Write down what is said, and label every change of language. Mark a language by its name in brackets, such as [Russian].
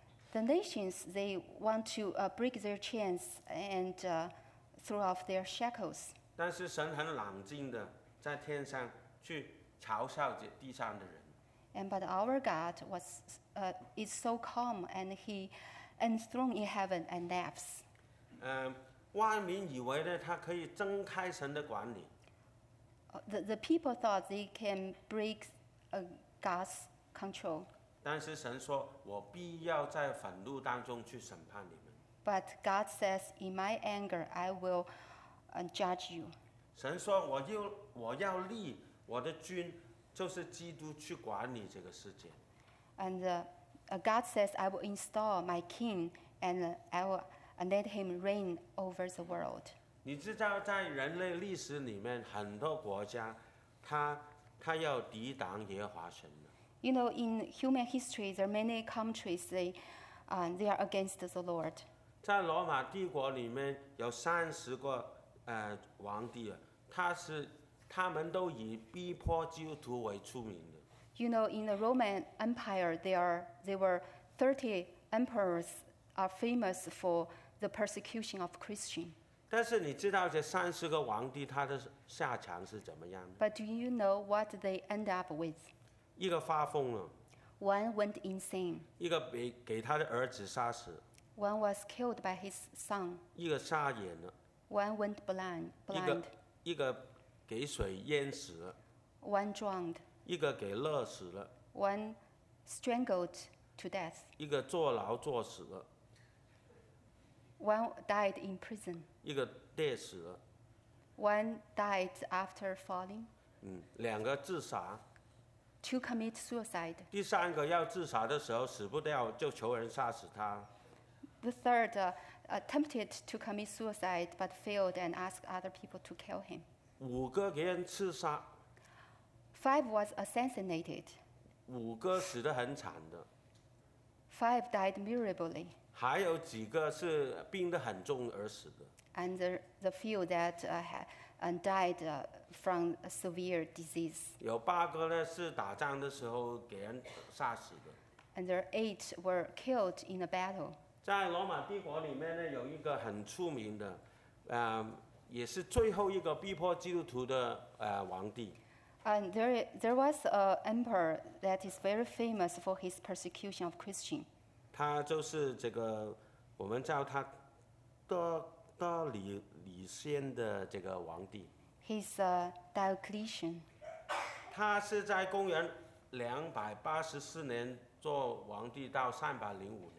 [English] The nations they want to break their chains and throw off their shackles. [Chinese] 但是神很冷静的在天上去嘲笑地上的人。 [English] And but our God was is so calm and he enthroned in heaven and laughs. [Chinese] 万民以为呢，他可以挣开神的管理。 [English] The people thought they can break God's control. [Chinese] 但是神说，我必要在愤怒当中去审判你们。 [English] But God says, in my anger, I will judge you. [Chinese] 神说，我要立我的君，就是基督去管理这个世界。 [English] And God says, I will install my king, and I will. And let him reign over the world. [Chinese] 你知道，在人类历史里面，很多国家，他要抵挡耶和华神。 [English] You know, in human history, there are many countries they are against the Lord. [Chinese] 在罗马帝国里面有三十个王帝，他们都以逼迫基督徒为出名的。 [English] You know, in the Roman Empire, there were 30 emperors are famous for. The persecution of Christians. [Chinese] 但是你知道这三十个王帝他的下场是怎么样的？ [English] But do you know what they end up with? [Chinese] 一个发疯了。 [English] One went insane. [Chinese] 一个给他的儿子杀死。 [English] One was killed by his son. [Chinese] 一个瞎眼了。 [English] One went blind. [Chinese] 一个给水淹死了。 [English] One drowned. [Chinese] 一个给勒死了。 [English] One strangled to death. [Chinese] 一个坐牢坐死了。 [English] One died in prison. [Chinese] 一个跌死了。 [English] One died after falling. [Chinese] 两个自杀。 [English] Two commit suicide. [Chinese] 第三个要自杀的时候死不掉，就求人杀死他。 [English] The third attempted to commit suicide but failed and asked other people to kill him. [Chinese] 五个给人刺杀。 [English] Five was assassinated. [Chinese] 五个死得很惨的。 [English] Five died miserably. [Chinese] 还有几个是病得很重而死的。 [English] And the few that died from a severe disease. [Chinese] 有八个呢是打仗的时候给人杀死的。 [English] And there eight were killed in a battle. [Chinese] 在罗马帝国里面呢有一个很出名的，也是最后一个逼迫基督徒的王帝。 [English] And there was an emperor that is very famous for his persecution of Christians. [Chinese] 他就是这个，我们叫他德里先的这个王帝。 [English] He's a Diocletian. [Chinese] 他是在公元284年做王帝到305年。